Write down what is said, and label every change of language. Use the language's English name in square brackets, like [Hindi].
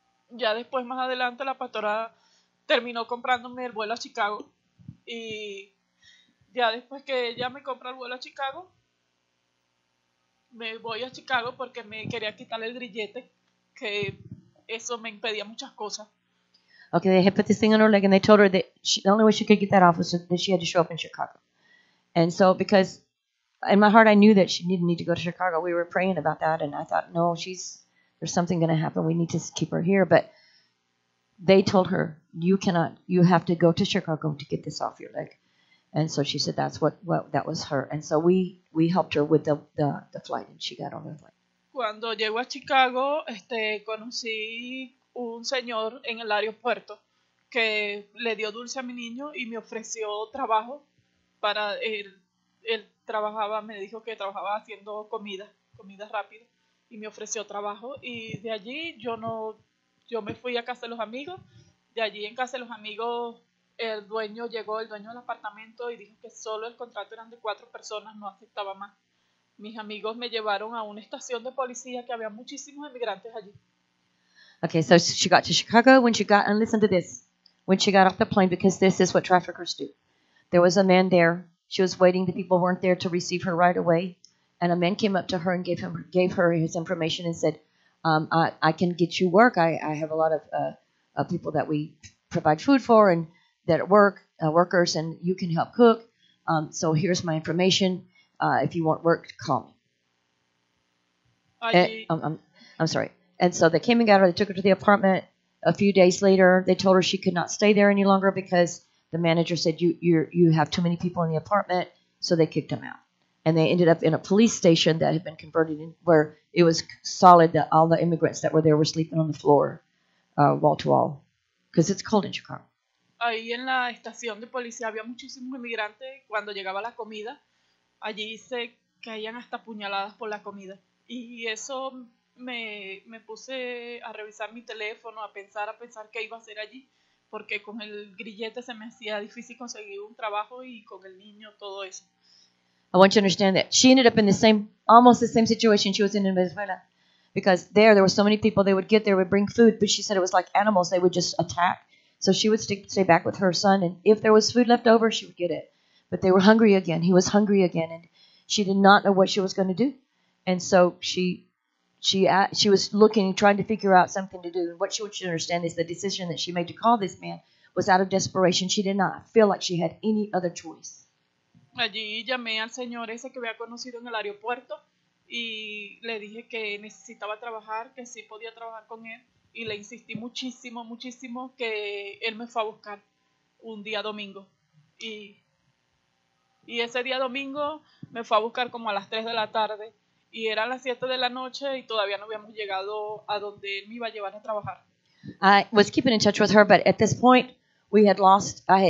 [Spanish] Ya después, más adelante, la pastora terminó comprándome el vuelo a Chicago y ya después que ella me compró el vuelo a Chicago, me voy a Chicago porque me quería quitar el grillete, que eso me impedía muchas cosas. [English] Okay, they had put this thing on her leg and they told her that the only way she could get that off was that she had to show up in Chicago. And so because in my heart I knew that she didn't need to go to Chicago. We were praying about that and I thought, no, there's something going to happen. We need to keep her here. But they told her, you have to go to Chicago to get this off your leg. And so she said that's what that was her. And so we helped her with the flight and she got on the flight. [Spanish] Cuando llego a Chicago, conocí un señor en el aeropuerto que le dio dulce a mi niño y me ofreció trabajo para él trabajaba, me dijo que trabajaba haciendo comida rápida y me ofreció trabajo y de allí yo me fui a casa de los amigos. De allí en casa de los amigos el dueño llegó, el dueño del apartamento, y dijo que solo el contrato eran de 4 personas, no aceptaba más. Mis amigos me llevaron a una estación de policía que había muchísimos emigrantes allí. [English] Okay, so she got to Chicago. When she got, and listen to this, when she got off the plane, because this is what traffickers do. There was a man there. She was waiting. The people weren't there to receive her right away. And a man came up to her and gave her his information and said, I can get you work. I have a lot of people that we provide food for and that work, workers, and you can help cook. So here's my information. If you want work, call me. I'm sorry. And so they came and got her. They took her to the apartment. A few days later, they told her she could not stay there any longer because the manager said, you have too many people in the apartment. So they kicked them out. And they ended up in a police station that had been converted in where it was solid that all the immigrants that were there were sleeping on the floor, wall to wall, because it's cold in Chicago. [Spanish] Ahí en la estación de policía había muchísimos inmigrantes. Cuando llegaba la comida, allí se caían hasta puñaladas por la comida. Y eso me puse a revisar mi teléfono, a pensar qué iba a hacer allí, porque con el grillete se me hacía difícil conseguir un trabajo y con el niño todo eso. [English] I want you to understand that she ended up in the same, almost the same situation she was in Venezuela, because there were so many people. They would get there, would bring food, but she said it was like animals. They would just attack. So she would stay back with her son, and if there was food left over, she would get it. But they were hungry again. He was hungry again, and she did not know what she was going to do. And so she was looking, trying to figure out something to do. And what she wants you to understand is the decision that she made to call this man was out of desperation. She did not feel like she had any other choice. [Spanish] Allí llamé al señor ese que había conocido en el aeropuerto, y le dije que necesitaba trabajar, que sí podía trabajar con él. Y le insistí muchísimo, muchísimo que él me fue a buscar un día domingo. Y ese día domingo me fue a buscar como a las 3 de la tarde. Y eran las 7 de la noche y todavía no habíamos llegado a donde él me iba a llevar a trabajar. [English] I was keeping in touch with her, but at this point, we had lost.